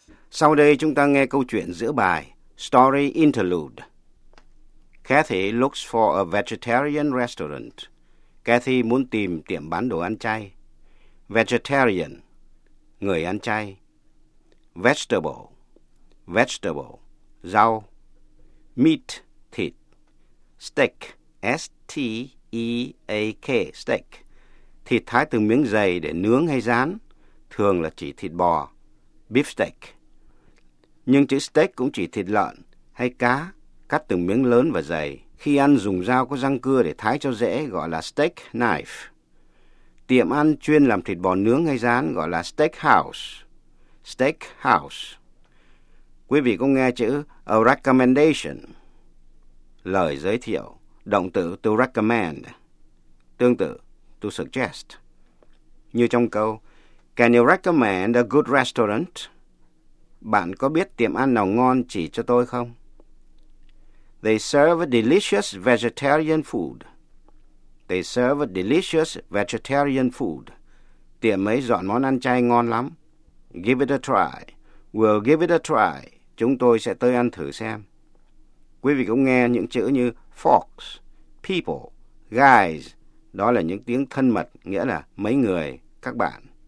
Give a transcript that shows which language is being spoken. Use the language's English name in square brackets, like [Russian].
[Vietnamese] Sau đây chúng ta nghe câu chuyện giữa bài, Story Interlude. [English] Kathy looks for a vegetarian restaurant. [Vietnamese] Kathy muốn tìm tiệm bán đồ ăn chay. Vegetarian, người ăn chay. [English] Vegetable, vegetable, rau. Meat, thịt. Steak, S-T-E-A-K, steak. [Vietnamese] Thịt thái từ miếng dày để nướng hay rán, thường là chỉ thịt bò, beefsteak. Nhưng chữ steak cũng chỉ thịt lợn hay cá, cắt từ miếng lớn và dày. Khi ăn dùng dao có răng cưa để thái cho dễ, gọi là steak knife. Tiệm ăn chuyên làm thịt bò nướng hay rán gọi là steakhouse. Steakhouse. Quý vị có nghe chữ a recommendation? Lời giới thiệu, động từ to recommend, tương tự to suggest. Như trong câu, [English] can you recommend a good restaurant? [Vietnamese] Bạn có biết tiệm ăn nào ngon chỉ cho tôi không? [English] They serve delicious vegetarian food. They serve delicious vegetarian food. [Vietnamese] Tiệm ấy dọn món ăn chay ngon lắm. [English] Give it a try. We'll give it a try. [Vietnamese] Chúng tôi sẽ tới ăn thử xem. Quý vị cũng nghe những chữ như folks, people, guys. Đó là những tiếng thân mật, nghĩa là mấy người, các bạn.